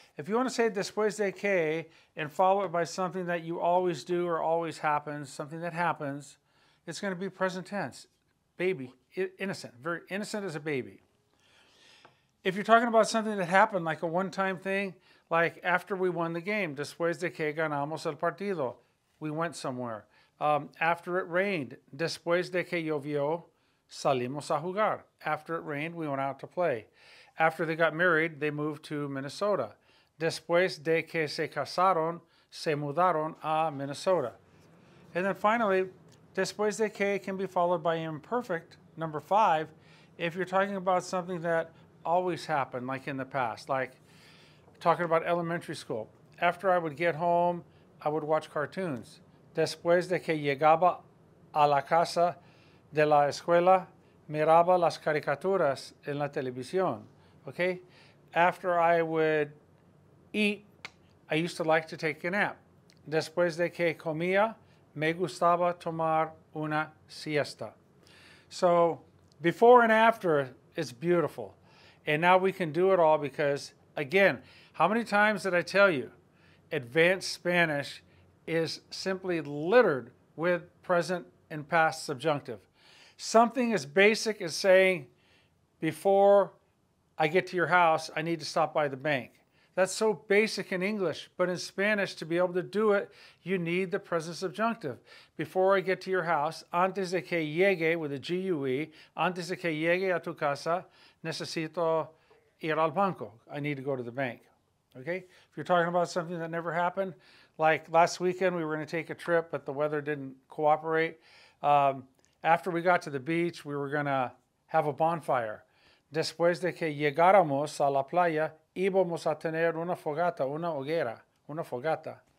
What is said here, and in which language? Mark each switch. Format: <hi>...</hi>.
<en>If you want to say después de que and follow it by something that you always do or always happens, something that happens, it's going to be present tense. Baby, innocent, very innocent as a baby. If you're talking about something that happened, like a one-time thing, like after we won the game,</en> <es>después de que ganamos el partido,</es> <en>we went somewhere. After it rained,</en> <es>después de que llovió, salimos a jugar.</es> <en>After it rained, we went out to play. After they got married, they moved to Minnesota.</en> <es>Después de que se casaron, se mudaron a Minnesota.</es> <en>And then finally, después de que can be followed by imperfect, number 5, if you're talking about something that always happened, like in the past, like talking about elementary school. After I would get home, I would watch cartoons.</en> <es>Después de que llegaba a la casa de la escuela, miraba las caricaturas en la televisión. Okay?</es> <en>After I would eat, I used to like to take a nap.</en> <es>Después de que comía, me gustaba tomar una siesta.</es> <en>So before and after is beautiful. And now we can do it all because, again, how many times did I tell you advanced Spanish is simply littered with present and past subjunctive? Something as basic as saying, before I get to your house, I need to stop by the bank. That's so basic in English, but in Spanish, to be able to do it, you need the present subjunctive. Before I get to your house,</en> <es>antes de que llegue,</es> <en>with a G-U-E,</en> <es>antes de que llegue a tu casa, necesito ir al banco.</es> <en>I need to go to the bank. Okay? If you're talking about something that never happened, like last weekend, we were going to take a trip, but the weather didn't cooperate. After we got to the beach, we were going to have a bonfire.</en> <es>Después de que llegáramos a la playa, íbamos a tener una fogata, una hoguera, una fogata.</es>